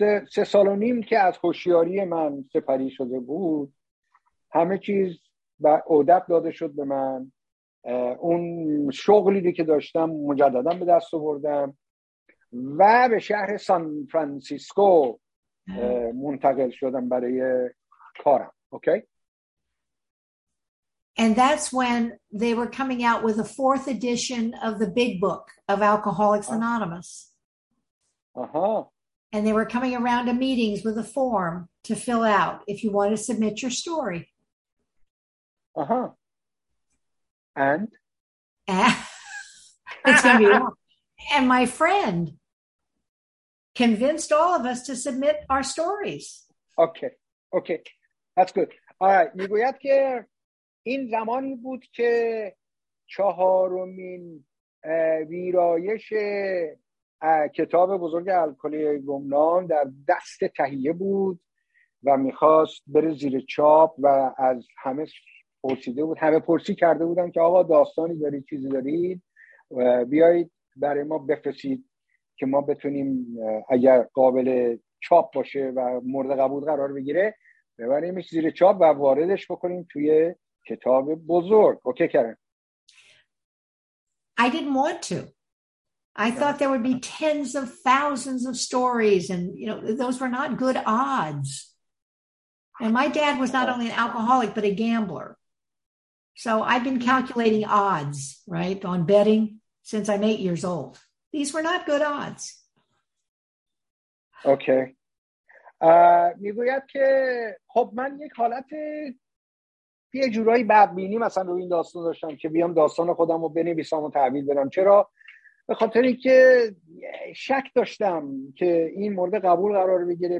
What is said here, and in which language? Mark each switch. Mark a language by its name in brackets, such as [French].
[Persian] سه سال و نیم که از هوشیاری من سپری شده بود، همه چیز با عادت داده شد به من. اون شغلی که داشتم مجددا به دست آوردم و به شهر سان فرانسیسکو منتقل شدم برای کارم. اوکی؟ [English] And that's when they were coming out with a fourth edition of the big book of Alcoholics Anonymous. Uh-huh. And they were coming around to meetings with a form to fill out if you want to submit your story. Uh-huh. And? It's going to be long. And my friend convinced all of us to submit our stories. Okay. Okay. That's good. All right. [Persian] میگوید که این زمانی بود که چهارمین ویرایش کتاب بزرگ الکلی گمنام در دست تهیه بود و میخواست بره زیر چاپ و از همه پرسیده بود، همه پرسی کرده بودن که آقا داستانی دارید، چیزی دارید، بیایید برای ما بفرستید که ما بتونیم اگر قابل چاپ باشه و مورد قبول قرار بگیره ببریمش زیر چاپ و واردش بکنیم توی کتاب بزرگ. [English] Okay کردن؟ I didn't want to. I thought there would be tens of thousands of stories and you know those were not good odds. And my dad was not only an alcoholic but a gambler. So I've been calculating odds, right, on betting since I'm 8 years old. These were not good odds. Okay. [Persian] میگوید که خب من یک حالت یه جورایی بدبینی مثلا روی این داستان داشتم که بیام داستان خودم رو بنویسم و تحویل بدم. چرا؟ به خاطر اینکه شک داشتم که این مورد قبول قرار بگیره.